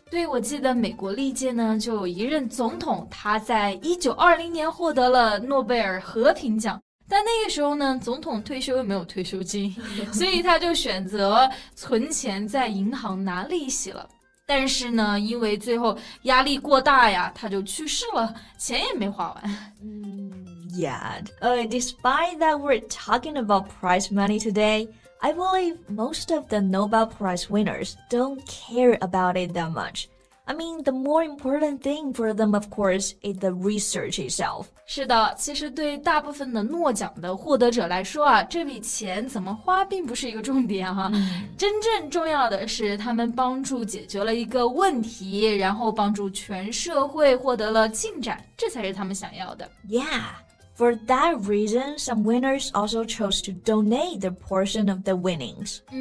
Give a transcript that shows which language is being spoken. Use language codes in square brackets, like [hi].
[zh] 对，我记得美国历届呢，就有一任总统，他在1920年获得了诺贝尔和平奖，但那个时候呢，总统退休又没有退休金，所以他就选择存钱在银行拿利息了。但是呢，因为最后压力过大呀，他就去世了，钱也没花完。 [en] Yet. Despite that we're talking about prize money today, I believe most of the Nobel Prize winners don't care about it that much. I mean, the more important thing for them, of course, is the research itself. [zh] 是的，其实对大部分的诺奖的获得者来说啊，这笔钱怎么花并不是一个重点哈。真正重要的是他们帮助解决了一个问题，然后帮助全社会获得了进展，这才是他们想要的。 [en] Yeah, for that reason, some winners also chose to donate their portion of the winnings.